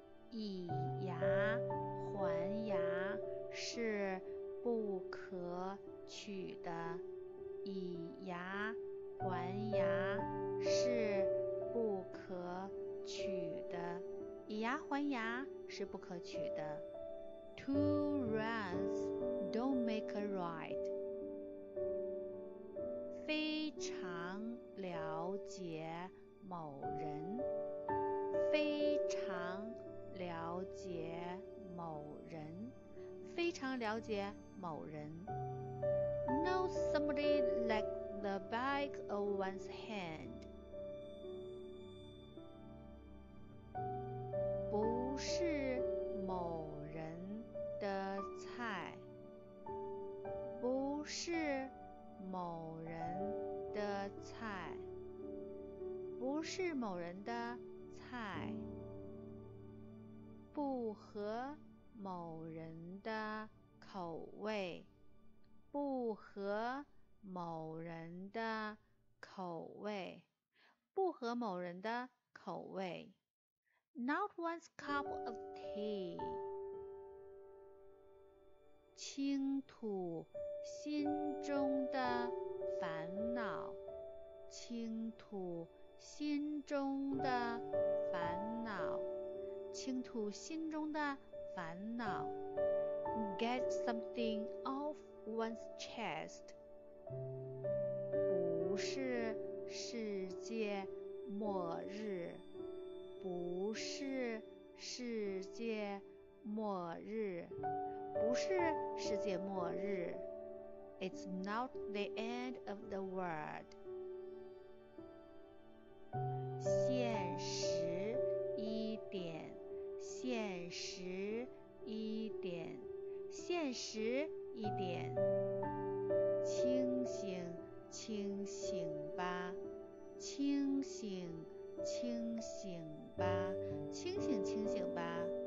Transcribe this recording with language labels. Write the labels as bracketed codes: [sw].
[zh] 以牙还牙是不可取的，以牙还牙是不可取的，以牙还牙是不可取的。 [en] Two wrongs don't make a right. [zh] 非常了解某人，非常了解某人，非常了解某人。 [en] Know somebody like the back of one's hand. [zh] 不是某人的菜，不是某人的菜，不是某人的菜，不合某人的口味，不合某人的口味，不合某人的口味。 [en] Not one's cup of tea. [zh] 倾吐心中的烦恼，倾吐心中的烦恼，倾吐心中的烦恼。 [en] Get something off one's chest. [zh] 不是世界末日，不是世界末日，不是世界末日。 [en] It's not the end of the world. [zh] 现实一点，现实一点，现实一点。清醒，清醒吧，清醒，清醒吧，清醒，清醒吧。